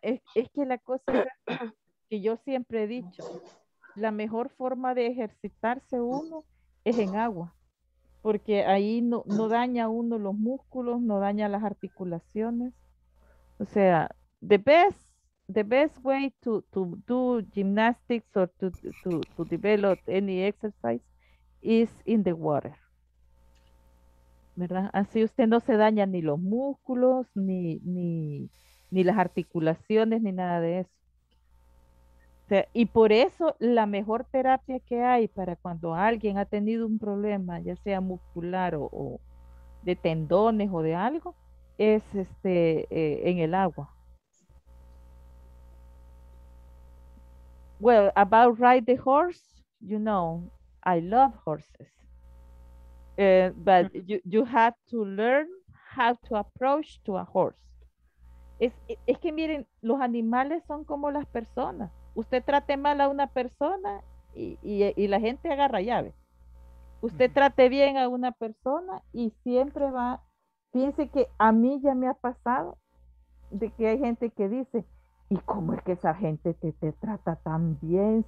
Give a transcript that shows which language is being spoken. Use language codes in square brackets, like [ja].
[es] Es que la cosa que yo siempre he dicho. La mejor forma de ejercitarse uno es en agua, porque ahí no daña uno los músculos, no daña las articulaciones. [en] O sea, the best way to do gymnastics or to develop any exercise is in the water. [es] ¿Verdad? Así usted no se daña ni los músculos, ni las articulaciones, ni nada de eso. O sea, y por eso la mejor terapia que hay para cuando alguien ha tenido un problema, ya sea muscular o de tendones o de algo, es en el agua. [en] Well, about ride the horse, you know, I love horses. But you have to learn how to approach to a horse. [es] Es que miren, los animales son como las personas. Usted trate mal a una persona y la gente agarra llave. Usted trate bien a una persona y siempre va. Fíjense que a mí ya me ha pasado de que hay gente que dice, ¿y cómo es que esa gente te trata tan bien?